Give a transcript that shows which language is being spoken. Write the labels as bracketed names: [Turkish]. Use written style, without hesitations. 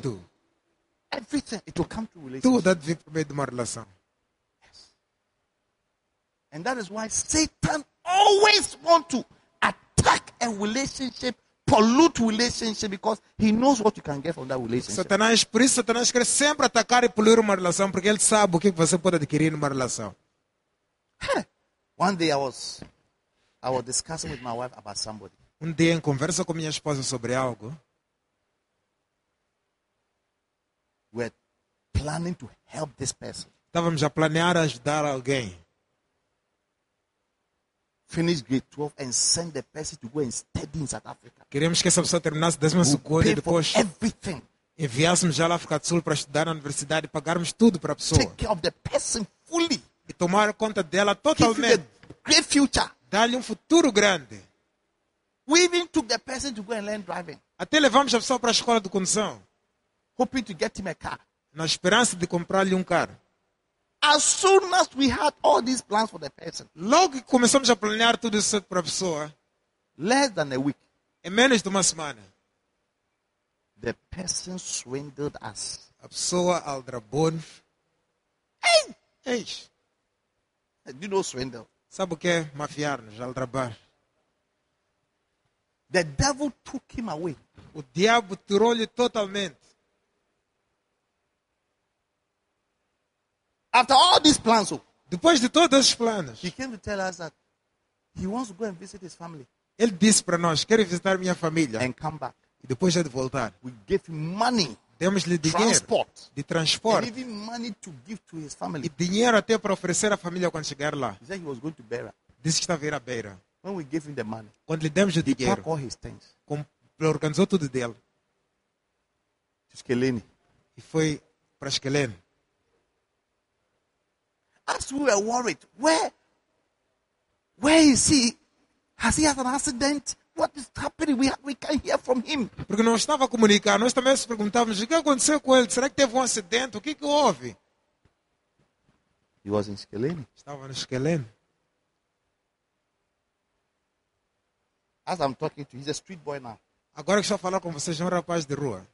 [Portuguese] tudo. [English] Everything, it will come to relationship. [Portuguese] Tudo de uma relação. [English] Yes. And that is why Satan always wants to attack a relationship, pollute relationship, because he knows what you can get from that relationship. [Portuguese] Satanás, por isso Satanás quer sempre atacar e poluir uma relação, porque ele sabe o que você pode adquirir numa relação. Huh. [English] One day I was discussing with my wife about somebody. [Portuguese] Um dia em conversa com minha esposa sobre algo. [English] We're planning to help this person. [Portuguese] Estávamos a planear ajudar alguém. [English] Finish grade 12 and send the person to go and study in South Africa. [Portuguese] Queremos que essa pessoa terminasse 10 anos [English] we'll [Portuguese] e depois [English] everything. [Portuguese] Enviássemos já lá a África do Sul para estudar na universidade e pagarmos tudo para a pessoa. [English] Take care of the person fully. [Portuguese] E tomar conta dela totalmente. [English] Great future. [Portuguese] Dá-lhe um futuro grande. [English] We even took the person to go and learn driving. [Portuguese] Até levamos a pessoa para a escola de condução. [English] Hoping to get him a car. [Portuguese] Na esperança de comprar-lhe carro. [English] As soon as we had all these plans for the person. [Portuguese] Logo que começamos a planear tudo isso para a pessoa. [English] Less than a week. [Portuguese] Em menos de uma semana. [English] The person swindled us. [Portuguese] A pessoa aldrabou-nos. Ei! Ei! [English] You know swindle. [Portuguese] Sabe o que é mafiar-nos, aldrabar? [English] The devil took him away. [Portuguese] O diabo tirou-lhe totalmente. [English] After all these plans, [Portuguese] depois de todos esses planos, [English] he came to tell us that he wants to go and visit his family. [Portuguese] Ele disse para nós, quero visitar minha família. [English] And come back. [Portuguese] E depois de voltar, [English] we gave him money. [Portuguese] Demos-lhe dinheiro, [English] transport, [Portuguese] de transporte. [English] And even money to give to his family. [Portuguese] E dinheiro até para oferecer à família quando chegar lá. [English] He said he was going to Beira. [Portuguese] Disse que estava a ir à Beira. [English] When we gave him the money, [Portuguese] quando lhe demos o dinheiro, [English] he packed all his things. [Portuguese] Organizou tudo dele. Esqueleni. E foi para Esquelene. [English] As we were worried, where is he? Has he had an accident? What is happening? We can't hear from him. [Portuguese] Porque não estava a comunicar. Nós também nos perguntávamos o que aconteceu com ele. Será que teve um acidente? O que houve? [English] He was in Esquelene. [Portuguese] Estava no Esquelene. [English] As I'm talking to you, he's a street boy now. [Portuguese] Agora que estou a falar com vocês, é um rapaz de rua.